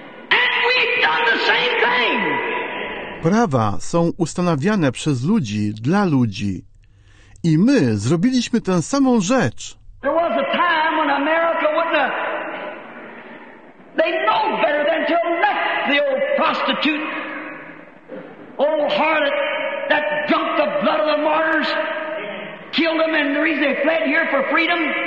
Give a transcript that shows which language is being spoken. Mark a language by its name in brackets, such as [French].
[English] And we've done the same thing. [Polish] Prawa są ustanawiane przez ludzi dla ludzi. I my zrobiliśmy tę samą rzecz. [English] There was a time when America wouldn't have... They know better than to elect the old prostitute, old harlot that drunk the blood of the martyrs, killed them, and the reason they fled here for freedom.